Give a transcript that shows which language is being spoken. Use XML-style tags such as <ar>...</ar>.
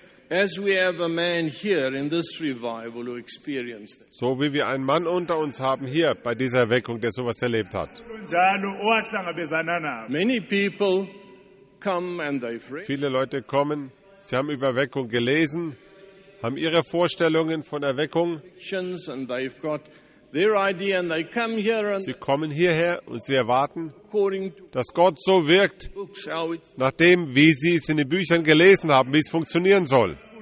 <en>As we have a man here in this revival who experienced it.</en> <de>So wie wir einen Mann unter uns haben hier bei dieser Erweckung, der sowas erlebt hat.</de> <en>Many people come and they've read.</en> <de>Viele Leute kommen, sie haben über Erweckung gelesen, haben ihre Vorstellungen von Erweckung.</de> <en>And they've got their idea and they come here and</en> <de>sie kommen hierher und sie erwarten, dass Gott so wirkt, nachdem, wie sie es in den Büchern gelesen haben, wie es funktionieren soll.</de>